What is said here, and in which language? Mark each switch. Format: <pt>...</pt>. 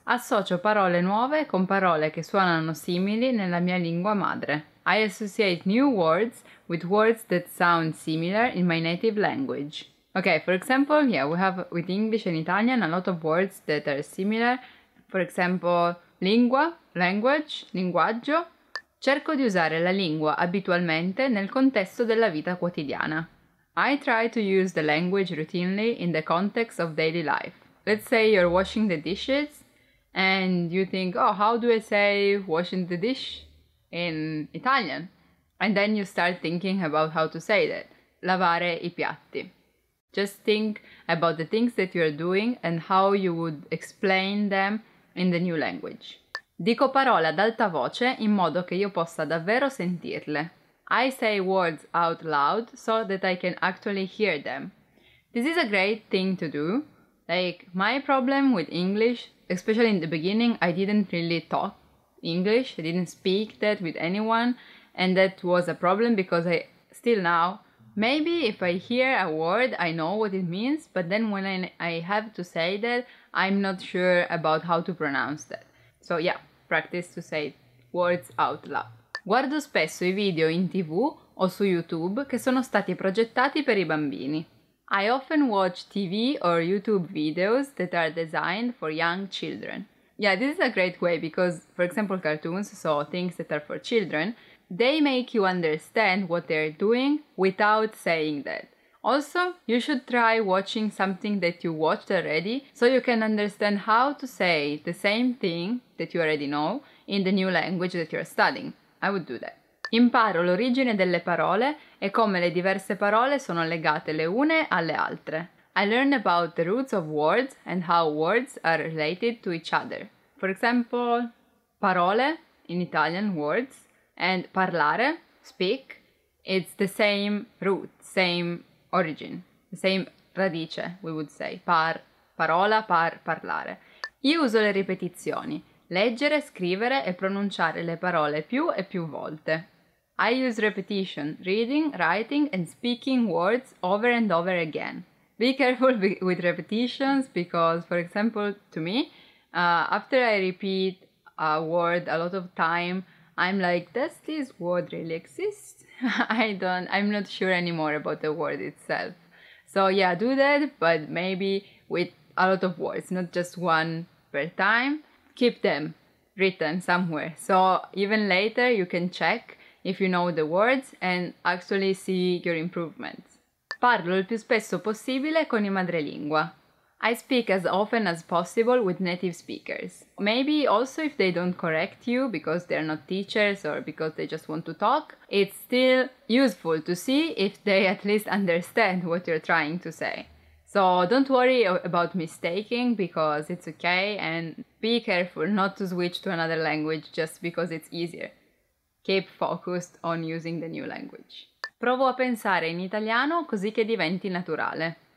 <it>Associo parole nuove con parole che suonano simili nella mia lingua madre.</it> <en>I associate new words with words that sound similar in my native language. Okay, for example, yeah, we have with English and Italian a lot of words that are similar. For example, lingua, language, linguaggio.</en> <it>Cerco di usare la lingua abitualmente nel contesto della vita quotidiana.</it> <en>I try to use the language routinely in the context of daily life. Let's say you're washing the dishes and you think, oh, how do I say washing the dish in Italian? And then you start thinking about how to say that.</en> <it>Lavare I piatti.</it> <en>Just think about the things that you're doing and how you would explain them in the new language.</en> <it>Dico parole ad alta voce in modo che io possa davvero sentirle.</it> <en>I say words out loud so that I can actually hear them. This is a great thing to do. Like, my problem with English, especially in the beginning, I didn't really talk English, I didn't speak that with anyone, and that was a problem because I still now, maybe if I hear a word, I know what it means, but then when I have to say that, I'm not sure about how to pronounce that. So yeah, practice to say words out loud.</en> <it>Guardo spesso I video in TV o su YouTube che sono stati progettati per I bambini.</it> <en>I often watch TV or YouTube videos that are designed for young children. Yeah, this is a great way because, for example, cartoons, so things that are for children, they make you understand what they're doing without saying that. Also, you should try watching something that you watched already so you can understand how to say the same thing that you already know in the new language that you're studying. I would do that.</en> <it>Imparo l'origine delle parole e come le diverse parole sono legate le une alle altre.</it> <en>I learn about the roots of words and how words are related to each other. For example, parole in Italian words and parlare, speak, it's the same root, same origin, the same radice, we would say.</en> <it>Parola, parlare. Io uso le ripetizioni. Leggere, scrivere e pronunciare le parole più e più volte.</it> <en>I use repetition, reading, writing and speaking words over and over again. Be careful with repetitions because, for example, to me, after I repeat a word a lot of time, I'm like, does this word really exist? I'm not sure anymore about the word itself. So yeah, do that, but maybe with a lot of words, not just one per time. Keep them written somewhere, so even later you can check if you know the words and actually see your improvements.</en> <it>Parlo il più spesso possibile con I madrelingua.</it> <en>I speak as often as possible with native speakers. Maybe also if they don't correct you because they're not teachers or because they just want to talk, it's still useful to see if they at least understand what you're trying to say. So don't worry about mistaking because it's okay and be careful not to switch to another language just because it's easier. Keep focused on using the new language.</en> <it>Provo a pensare in italiano così che diventi naturale.</it>